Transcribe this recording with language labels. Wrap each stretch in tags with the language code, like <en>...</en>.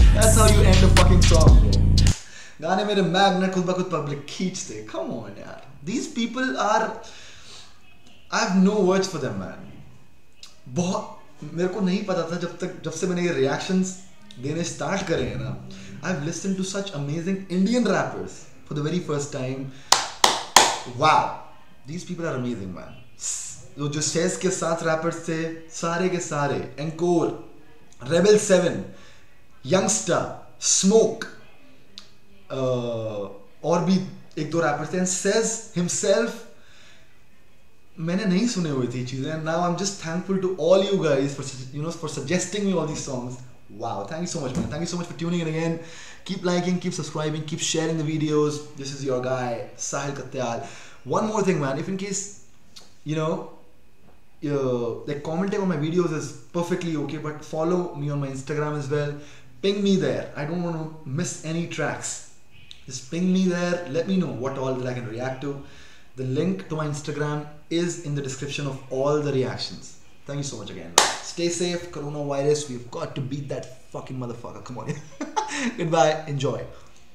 <en>That's how you end a fucking song, bro.</en> <hi>गाने मेरे magnet खुद ब खुद पब्लिक खींचते.</hi> <en>Come on यार, these people are, I have no words for them man.</en> <hi>बहुत मेरे को नहीं पता था जब तक जब से मैंने ये रिएक्शंस देने स्टार्ट करे हैं ना.</hi> <en>I have listen to such amazing Indian rappers for the very first time.</en> <hi>वाह,</hi> <en>These people are amazing man.</en> <hi>जो शेज के साथ रैपर्स थे सारे के सारे, anchor, rebel seven, youngster, smoke, और भी एक दो रैपर्स थे,</hi> <en>and Sez himself,</en> <hi>मैंने नहीं सुने हुए थी चीजें.</hi> <en>And now I am just thankful to all you guys for you know for suggesting me all these songs. Wow, thank you so much man, thank you so much for tuning in again. Keep liking, keep subscribing, keep sharing the videos. This is your guy Sahil Katyal. One more thing man, if in case you know like commenting on my videos is perfectly okay, but follow me on my Instagram as well. Ping me there, I don't want to miss any tracks. Just ping me there. Let me know what all that I can react to. The link to my Instagram is in the description of all the reactions. Thank you so much again. Stay safe. Coronavirus. We've got to beat that fucking motherfucker. Come on. Goodbye. Enjoy.</en>